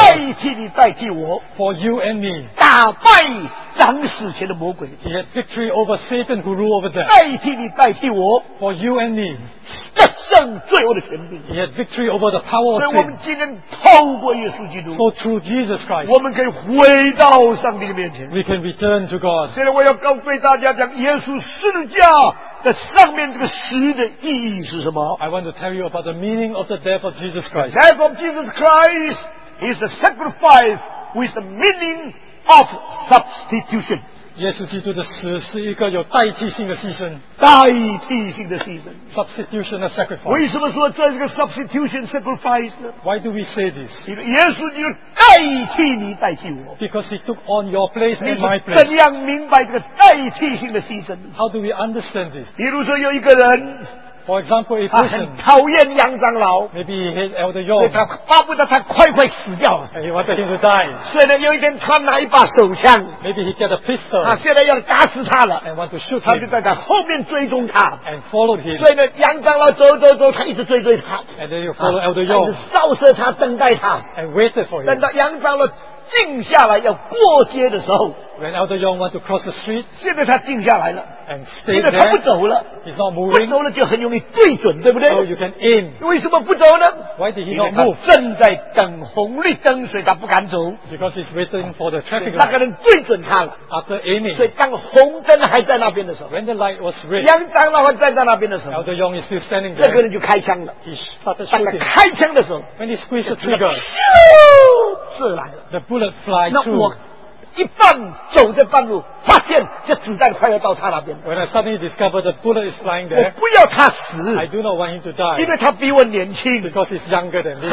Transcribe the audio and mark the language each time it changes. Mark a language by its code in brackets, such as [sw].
[zh] 代替你代替我 [en] for you and me [zh] 打败掌死权的魔鬼 [en] he had victory over Satan who ruled over death [zh] 代替你代替我 [en] for you and me [zh] 胜罪恶的权柄。 [en] He had victory over the power of sin. [zh] 所以我们今天透过耶稣基督。 [en] So through Jesus Christ. [zh] 我们可以回到上帝的面前。 [en] We can return to God. [zh] 现在我要告诉大家讲耶稣十字架的上面这个十的意义是什么。 [en] I want to tell you about the meaning of the death of Jesus Christ. The death of Jesus Christ is the sacrifice with the meaning of substitution. [zh] 耶稣基督的死是一个有代替性的牺牲，代替性的牺牲 [en] ，substitution a sacrifice。 [zh] 为什么说这是个 [en] substitution sacrifice [zh] 呢 [en] ？Why do we say this？ [zh] 因为耶稣基督代替你，代替我。 [en] Because he took on your place and my place。 [zh] 怎样明白这个代替性的牺牲 [en] ？How do we understand this？ [zh] 比如说有一个人。 [en] For example, a person, [zh] 他很讨厌杨长老 [en] maybe he hates Elder Yong, [zh] 他巴不得他快快死掉 [en] and he wanted him to die. [zh] 所以呢有一天他拿一把手枪 [en] maybe he get a pistol, [zh] 他现在要打死他了 [en] and want to shoot him. [zh] 他就在他后面追踪他 [en] and followed him. [zh] 所以呢杨长老走走走他一直追追他 [en] and then you follow Elder Yong, [zh] 一直扫射他等待他 [en] and waited for him. [zh] 等到杨长老静下来要过街的时候 [en] when Elder Yong want to cross the street, [zh] 现在他静下来了 [en] and stayed there, [zh] 现在他不走了 [en] He's not moving. [zh] 不走了就很容易对准，对不对 [en] ？So you can aim. [zh] 为什么不走呢 [en] ？Why did he not move? [zh] 他正在等红绿灯，所以他不敢走。 [en] Because he's waiting for the traffic [zh] light. 那个人对准他了。 [en] After aiming. [zh] 所以当红灯还在那边的时候 [en] ，When the light was red. [zh] 杨长老站在那边的时候 [en] ，Elder Yong is still standing there. [zh] 这个人就开枪了。 [en] He started shooting. [zh] 当他开枪的时候 [en] ，When he squeezed the trigger, [zh] 射来了。 [en] The bullet flies through. [zh] 一半走在半路，发现这子弹快要到他那边。 [en] When I suddenly discovered the bullet is flying there, [zh] 我不要他死。 [en] I do not want him to die. [zh] 因为他比我年轻。 [en] Because he's younger than me.